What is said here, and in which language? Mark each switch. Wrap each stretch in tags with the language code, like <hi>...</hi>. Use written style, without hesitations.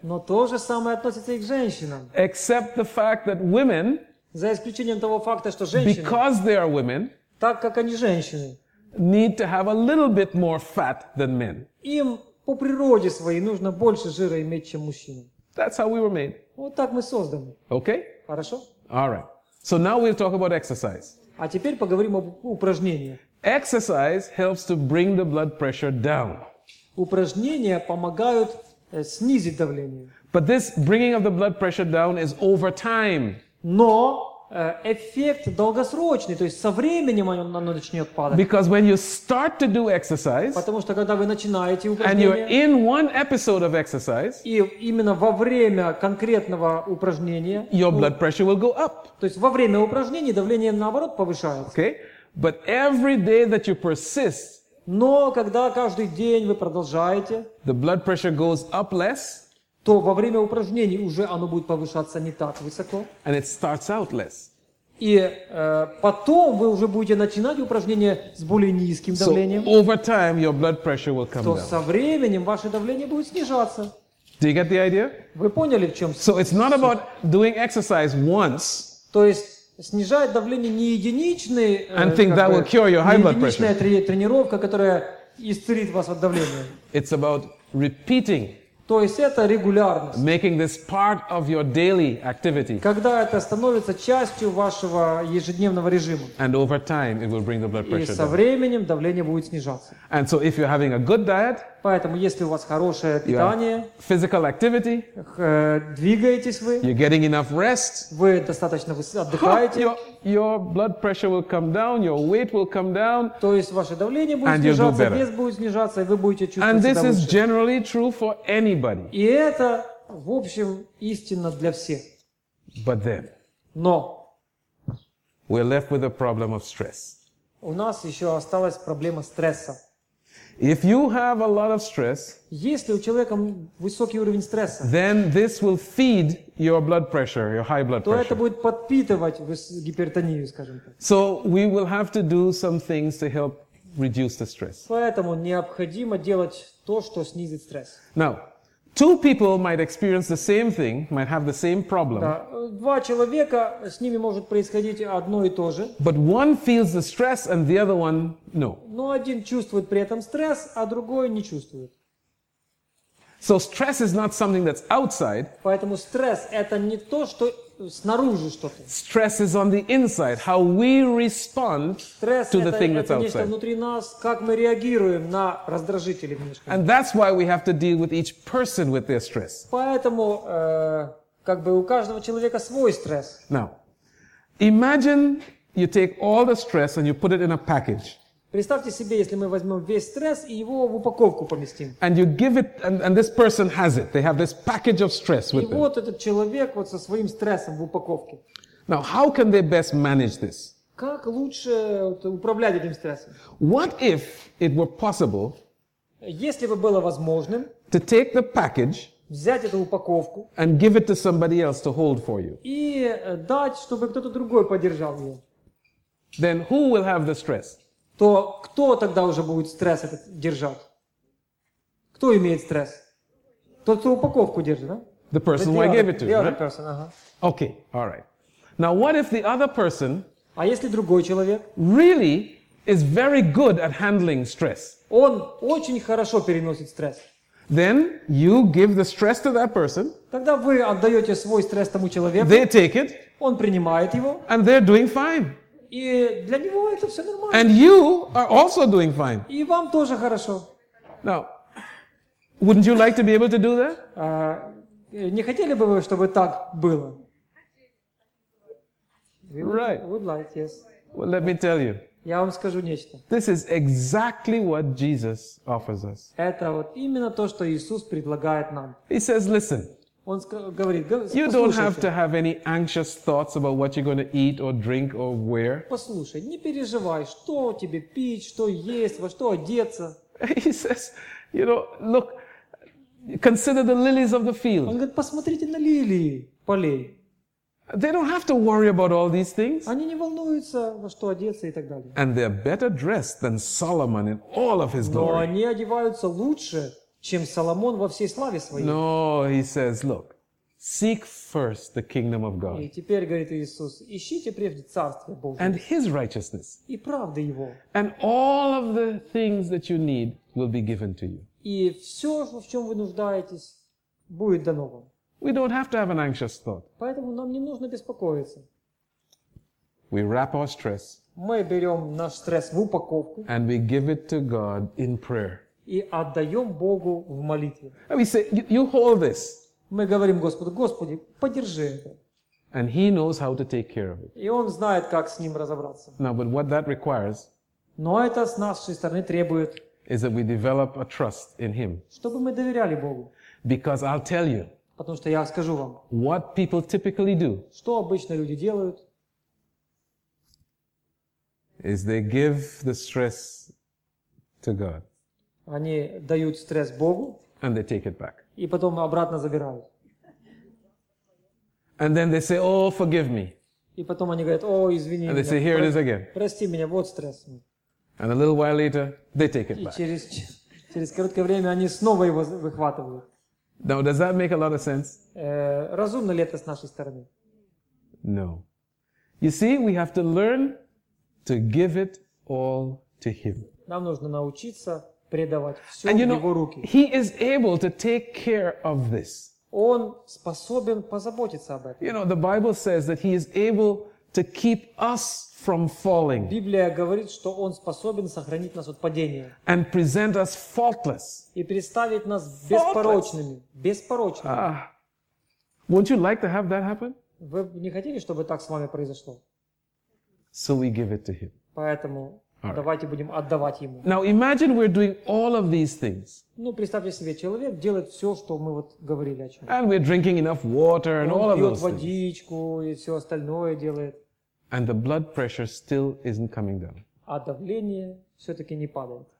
<ru>Но то же самое относится и к женщинам.</ru> <en>Except the fact that women,</en> <ru>за исключением того факта, что женщины,</ru> <en>because they are women,</en> <ru>так как они женщины,</ru> <en>need to have a little bit more fat than men.</en> <ru>Им по природе своей нужно больше жира иметь, чем мужчинам.</ru> <en>That's how we were made.</en> <ru>Вот так мы созданы.</ru> <en>Okay?</en> <ru>Хорошо?</ru> <en>All right. So now we'll talk about exercise.</en> <ru>А теперь поговорим об упражнениях.</ru> <en>Exercise helps to bring the blood pressure down.</en> <ru>Упражнения помогают снизить давление.</ru> <en>But this bringing of the blood pressure down is over time.</en> <ru>Но эффект долгосрочный, то есть со временем оно начнет падать.</ru> <en>Because when you start to do exercise,</en> <ru>потому что когда вы начинаете упражнение,</ru> <en>and you're in one episode of exercise,</en> <ru>и именно во время конкретного упражнения,</ru> <en>your blood pressure will go up.</en> <ru>То есть во время упражнений давление наоборот повышается.</ru> <en>Okay, but every day that you persist.</en> <ru>Но когда каждый день вы продолжаете,</ru> <en>the blood pressure goes up less,</en> <ru>то во время упражнений уже оно будет повышаться не так высоко.</ru> <en>And it starts out less.</en> <ru>И потом вы уже будете начинать упражнение с более низким давлением.</ru> <en>So over time your blood pressure will come</en> <ru>то</ru> <en>down.</en> <ru>Со временем ваше давление будет снижаться.</ru> <en>Do you get the idea?</en> <ru>Вы поняли, в чем суть?</ru> <en>So it's not about doing exercise once.</en> <ru>То есть снижает давление не единичный,</ru> <en>and think that will cure your high blood pressure.</en> <ru>Не единичная тренировка, которая исцелит вас от давления.</ru> <en>It's about repeating.</en> <ru>То есть это регулярность.</ru> <en>Making this part of your daily activity.</en> <ru>Когда это становится частью вашего ежедневного режима.</ru> <en>And over time it will bring the blood pressure down.</en> <ru>И со временем давление будет снижаться.</ru> <en>And so if you're having a good diet,</en> <ru>поэтому если у вас хорошее питание,</ru> <en>physical activity,</en> <ru>двигаетесь вы,</ru> <en>you're getting enough rest,</en> <ru>вы достаточно отдыхаете,</ru> <en>your blood pressure will come down, your weight will come down,</en> <ru>то есть ваше давление будет снижаться, вес будет снижаться, и вы будете чувствовать себя лучше.</ru> <en>And this is generally true for anybody.</en> <ru>И это, в общем, истинно для всех.</ru> <en>But then,</en> <ru>но</ru> <en>we're left with a problem of stress.</en> <ru>У нас еще осталась проблема стресса.</ru> <en>If you have a lot of stress,</en> <ru>если у человека высокий уровень стресса,</ru> <en>then this will feed your blood pressure, your high blood pressure.</en> <ru>То это будет подпитывать гипертонию, скажем так.</ru> <en>So we will have to do some things to help reduce the stress.</en> <ru>Поэтому необходимо делать то, что снизит стресс.</ru> <en>Now, two people might experience the same thing, might have the same problem.</en> <ru>Да, два человека, с ними может происходить одно и то же.</ru> <en>But one feels the stress and the other one, no.</en> <ru>Но один чувствует при этом стресс, а другой не чувствует.</ru> <en>So stress is not something that's outside.</en> <ru>Поэтому стресс это не то, что снаружи что-то.</ru> <en>Stress is on the inside, how we respond stress to the thing that's outside.</en> <ru>Это нечто внутри нас, как мы реагируем на раздражители внешние.</ru> <en>And that's why we have to deal with each person with their stress.</en> <ru>Поэтому как бы у каждого человека свой стресс.</ru> <en>Now, imagine you take all the stress and you put it in a package.</en> <ru>Представьте себе, если мы возьмем весь стресс и его в упаковку поместим.</ru> <en>And you give it, and this person has it. They have this package of stress with them.</en> <ru>И вот этот человек вот со своим стрессом в упаковке.</ru> <en>Now, how can they best manage this?</en> <ru>Как лучше управлять этим стрессом?</ru> <en>What if it were possible?</en> <ru>Если бы было возможным.</ru> <en>To take the package.</en> <ru>Взять эту упаковку.</ru> <en>And give it to somebody else to hold for you.</en> <ru>И дать, чтобы кто-то другой подержал ее.</ru> <en>Then who will have the stress?</en> <ru>То кто тогда уже будет стресс этот держать? Кто имеет стресс? Тот, кто упаковку держит, да?</ru> <en>The person who I gave it to, the other right? Person, ага. Okay, all right. Now, what if the other person?</en> <ru>А если другой человек?</ru> <en>Really is very good at handling stress.</en> <ru>Он очень хорошо переносит стресс.</ru> <en>Then you give the stress to that person.</en> <ru>Тогда вы отдаете свой стресс тому человеку.</ru> <en>They take it.</en> <ru>Он принимает его.</ru> <en>And they're doing fine.</en> <ru>И для него это все нормально.</ru> <en>And you are also doing fine.</en> <ru>И вам тоже хорошо.</ru> <en>Now, wouldn't you like to be able to do that?</en> <ru>Не хотели бы вы, чтобы так было?</ru> <en>Right. Would like, yes. Well, let me tell you.</en> <ru>Я вам скажу нечто.</ru> <en>This is exactly what Jesus offers us.</en> <ru>Это вот именно то, что Иисус предлагает нам.</ru> <en>He says, listen.</en> <ru>Он говорит,</ru> <en>you don't have to have any anxious thoughts about what you're going to eat or drink or wear.</en> <ru>Послушай, не переживай, что тебе пить, что есть, во что одеться.</ru> <en>He says, you know, look, consider the lilies of the field.</en> <ru>Он говорит, посмотрите на лилии полей.</ru> <en>They don't have to worry about all these things.</en> <ru>Они не волнуются, во что одеться и так далее.</ru> <en>And they're better dressed than Solomon in all of his glory.</en> <ru>Но они одеваются лучше. Чем Соломон во всей славе своей.</ru> <en>No, he says, look, seek first the kingdom of God.</en> <ru>И теперь говорит Иисус, ищите прежде царствие Божие.</ru> <en>And his righteousness.</en> <ru>И правды его.</ru> <en>And all of the things that you need will be given to you.</en> <ru>И все, в чем вы нуждаетесь, будет дано вам.</ru> <en>We don't have to have an anxious thought.</en> <ru>Поэтому нам не нужно беспокоиться.</ru> <en>We wrap our stress.</en> <ru>Мы берем наш стресс в упаковку.</ru> <en>And we give it to God in prayer.</en> <ru>И отдаем Богу в молитве.</ru> <en>And we say, you hold this.</en> <ru>Мы говорим Господу, Господи, подержи это.</ru> <en>And he knows how to take care of it.</en> <ru>И он знает, как с ним разобраться.</ru> <en>Now, but what that requires,</en> <ru>но это с нашей стороны требует,</ru> <en>is that we develop a trust in him.</en> <ru>Чтобы мы доверяли Богу.</ru> <en>Because I'll tell you,</en> <ru>потому что я скажу вам,</ru> <en>what people typically do,</en> <ru>что обычно люди делают,</ru> <en>is they give the stress to God.</en> <ru>Они дают стресс Богу.</ru> <en>And they take it back.</en> <ru>И потом обратно забирают.</ru> <en>And then they say, oh, forgive me.</en> <ru>И потом они говорят, о, извини</ru> <en>and</en> <ru>меня.</ru> <en>They say, here it is again.</en> <ru>Прости меня, вот стресс.</ru> <en>And a little while later, they take it back.</en> <ru>И через короткое время они снова его выхватывают.</ru> <en>Now, does that make a lot of sense?</en> <ru>Разумно ли это с нашей стороны?</ru> <en>No. You see, we have to learn to give it all to him.</en> <ru>Нам нужно научиться предавать все в его руки.</ru> <en>He is able to take care of this.</en> <ru>Он способен позаботиться об этом.</ru> <en>You know, the Bible says that he is able to keep us from falling.</en> <ru>Библия говорит, что он способен сохранить нас от падения.</ru> <en>And present us faultless.</en> <ru>И представить нас беспорочными. Беспорочными.</ru> <en>Won't you like to have that happen?</en> <ru>Вы не хотели, чтобы так с вами произошло?</ru> <en>So we give it to him.</en> <ru>Поэтому</ru> <en>all right.</en> <ru>Давайте будем отдавать ему.</ru> <en>Now imagine we're doing all of these things.</en> <ru>Ну представьте себе, человек делает все, что мы вот говорили о чем.</ru> <en>And we're drinking enough water and all of those things.</en> <ru>Он пьет водичку и все остальное делает.</ru> <en>And the blood pressure still isn't coming down.</en> <ru>А давление все-таки не падает.</ru>